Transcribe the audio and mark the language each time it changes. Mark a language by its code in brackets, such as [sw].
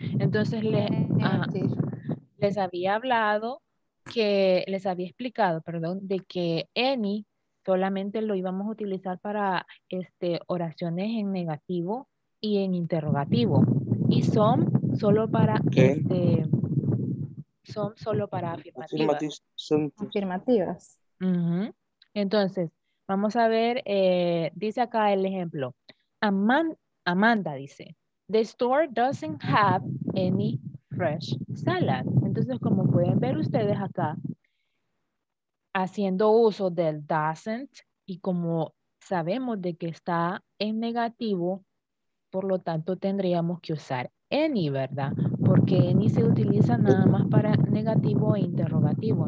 [es] Entonces les había hablado que, les había explicado, perdón, de que any solamente lo íbamos a utilizar para oraciones en negativo y en interrogativo. Y some solo para some solo para afirmativas. Afirmativas. Uh-huh. Entonces, vamos a ver, dice acá el ejemplo. Amanda dice, [en] the store doesn't have any fresh salad. [es] Entonces, como pueden ver ustedes acá, haciendo uso del doesn't, y como sabemos de que está en negativo, por lo tanto tendríamos que usar any, ¿verdad? Porque any se utiliza nada más para negativo e interrogativo.